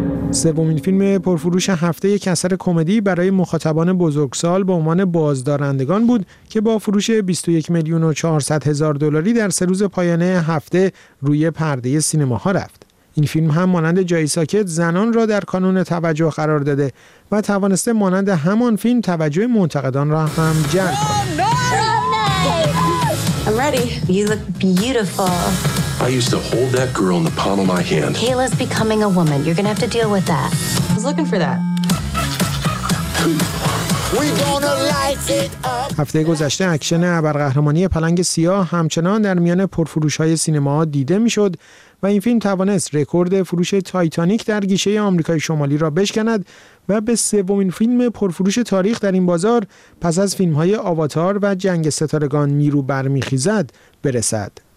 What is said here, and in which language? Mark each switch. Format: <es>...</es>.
<fa>سومین فیلم پرفروش هفته یک اثر کمدی برای مخاطبان بزرگسال به عنوان بازدارندگان بود که با فروش 21 میلیون و 400 هزار دلاری در 3 روز پایانه هفته روی پرده سینماها رفت. این فیلم هم مانند جای ساکت زنان را در کانون توجه قرار داده و توانسته مانند همان فیلم توجه منتقدان را هم جلب کند.</fa> <en>I'm ready. You look beautiful. I used to hold that girl in the palm of my hand. Kayla's becoming a woman. You're gonna have to deal with that. I was looking for that.</en> <fa>هفته گذشته اکشن ابرقهرمانی پلنگ سیاه همچنان در میان پرفروش‌های سینما دیده می‌شد و این فیلم توانست رکورد فروش تایتانیک در گیشه آمریکای شمالی را بشکند و به 3 فیلم پرفروش تاریخ در این بازار پس از فیلم‌های آواتار و جنگ ستارگان نیرو برمی‌خیزد برسد.</fa>